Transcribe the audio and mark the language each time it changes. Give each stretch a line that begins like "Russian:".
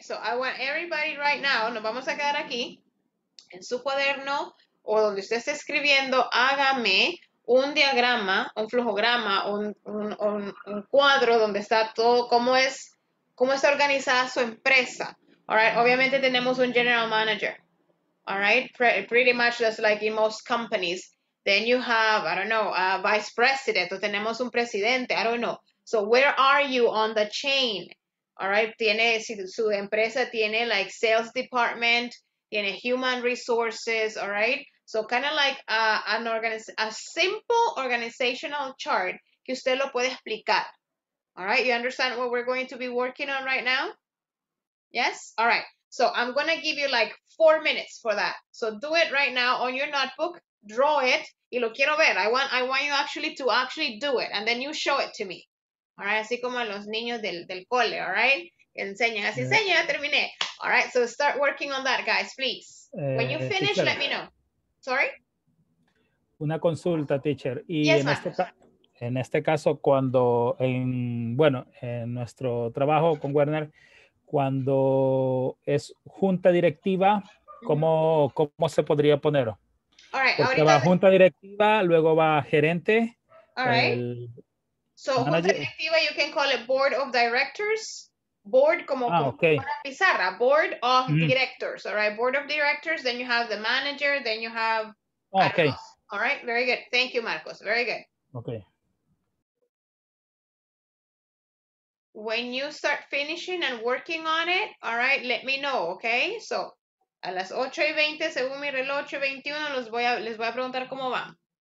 English: So I want everybody right now,
Spanish: nos vamos a quedar aquí, en su cuaderno o donde usted esté escribiendo, hágame un diagrama, un flujograma, un cuadro donde está todo, cómo está organizada su empresa.
English: All right.
Spanish: Obviamente tenemos un general manager.
English: All right, pretty much just like in most companies. Then you have, I don't know, a vice president,
Spanish: o tenemos un presidente,
English: I don't know. So where are you on the chain? All right,
Spanish: tiene, su empresa tiene
English: like sales department, tiene human resources, all right? So kind of like a simple organizational chart
Spanish: que usted lo puede explicar.
English: All right, you understand what we're going to be working on right now? Yes? All right, so I'm going to give you like 4 minutes for that. So do it right now on your notebook. Draw it.
Spanish: Y lo quiero ver.
English: I want you actually to actually do it. And then you show it to me. All right,
Spanish: así como los niños del cole, all right? Enseñen, así enseña, ya terminé.
English: All right, so start working on that, guys, please. When you finish, teacher, let me know. Sorry?
Spanish: Una consulta, teacher. Y
English: yes, ma'am.
Spanish: En este caso, cuando, en nuestro trabajo con Werner, cuando es junta directiva, ¿cómo se podría poner?
English: All right,
Spanish: porque ahorita va junta directiva, luego va gerente.
English: All right.
Spanish: Junta directiva,
English: you can call it board of directors.
Spanish: Board como,
English: okay.
Spanish: Como pizarra,
English: board of directors. All right, board of directors, then you have the manager, then you have Marcos. Okay. All right, very good. Thank you, Marcos. Very good. Okay. When you start finishing and working on it, all right, let me know, okay?
Spanish: So, a las 8:20, según mi reloj, 8:21, les voy a preguntar cómo van.